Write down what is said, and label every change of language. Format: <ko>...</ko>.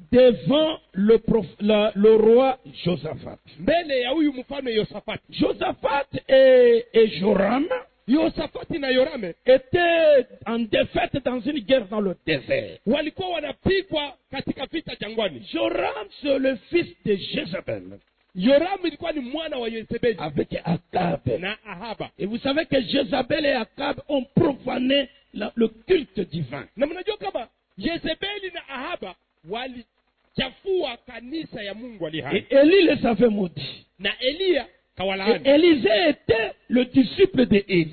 <fr>devant le roi Josaphat.</fr> <sw>Mbele ya huyu mfano Josaphat.</sw> <fr>Josaphat et Joram,</fr> <sw>Josaphat na Joram</sw> <fr>étaient en défaite dans une guerre dans le désert.</fr> <sw>Walikuwa wanapigwa katika vita jangwani.</sw> <fr>Joram c'est le fils de Jezebel.</fr> <sw>Joram ilikuwa ni mwana wa Jezebel</sw> <fr>avec Ahab.</fr> <sw>Na Ahab.</sw> <fr>Et vous savez que Jezebel et Ahab ont profané le culte divin.</fr> <sw>Na mnajua kama Jezebel na Ahab walichafua kanisa ya Mungu aliye hai.</sw> <fr>Eli le savait maudit.</fr> <sw>Na Elia kawalaani.</sw> <fr>Élisée était le disciple de Élie.</fr>